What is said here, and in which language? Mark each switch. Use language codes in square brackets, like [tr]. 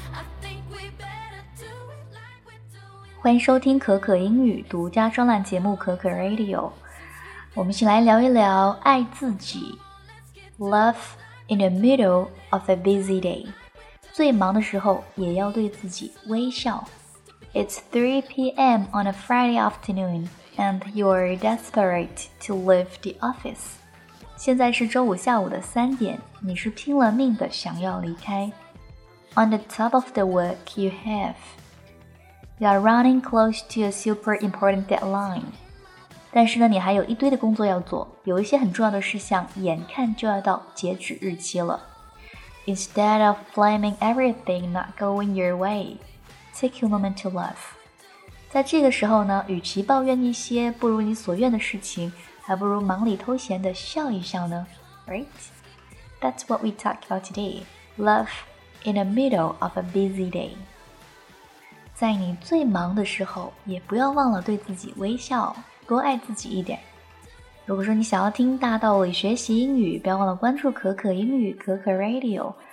[en] I think we better do it like we're doing. [zh] 欢迎收听可可英语独家专栏节目可可 Radio。我们一起来聊一聊爱自己。 [en] Love in the middle of a busy day. [zh] 最忙的时候也要对自己微笑。 [en] It's 3 p.m. on a Friday afternoon, and you're desperate to leave the office. [zh] 现在是周五下午的三点，你是拼了命的想要离开。 [en] On the top of the work you have, you're running close to a super important deadline. [zh] 但是呢，你还有一堆的工作要做，有一些很重要的事项眼看就要到截止日期了。 [en] Instead of blaming everything not going your way,Take a moment to love. [zh] 在这个时候呢，与其抱怨一些不如你所愿的事情，还不如忙里偷闲的笑一笑呢。 [en] Right? That's what we talk about today. Love in the middle of a busy day. [zh] 在你最忙的时候，也不要忘了对自己微笑，多爱自己一点。如果说你想要听大道理学习英语，不要忘了关注可可英语，可可 Radio。